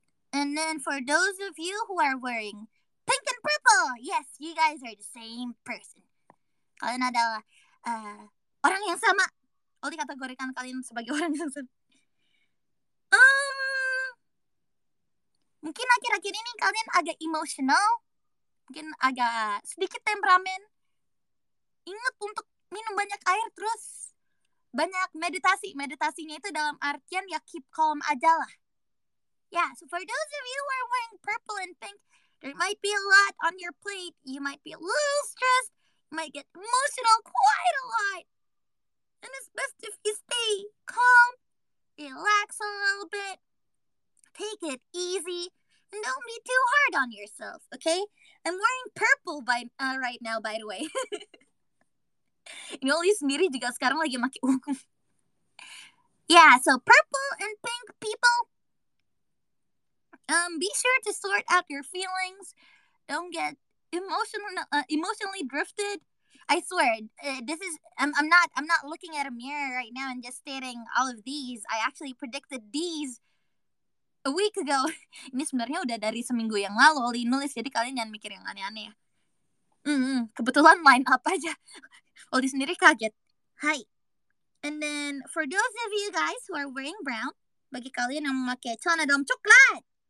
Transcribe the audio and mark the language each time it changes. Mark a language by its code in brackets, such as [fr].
[en] And then for those of you who are wearing pink and purple, yes, you guys are the same person. [id] Kalian adalah orang yang sama. Oli kategorikan kalian sebagai orang yang sama. Mungkin akhir-akhir ini kalian agak emosional. Mungkin agak sedikit temperamen. Ingat untuk minum banyak air terus. Banyak meditasi. Meditasinya itu dalam artian ya [en] keep calm [id] aja lah. [en] Yeah, so for those of you who are wearing purple and pink, there might be a lot on your plate. You might be a little stressed. You might get emotional quite a lot. And it's best if you stay calm, relax a little bit. Take it easy and don't be too hard on yourself, okay? I'm wearing purple right now, by the way. [id] Ini Oli sendiri juga sekarang lagi pakai ungu. [en] Yeah, so purple and pink people, be sure to sort out your feelings. Don't get emotionally drifted. I swear, I'm not looking at a mirror right now and just stating all of these. I actually predicted these a week ago. [id] Ini sebenarnya udah dari seminggu yang lalu Oli nulis, jadi kalian jangan mikir yang aneh-aneh ya. Kebetulan line up aja. Oli sendiri kaget. [en] Hai. And then for those of you guys who are wearing brown, [id] bagi kalian yang memakai celana dalam coklat.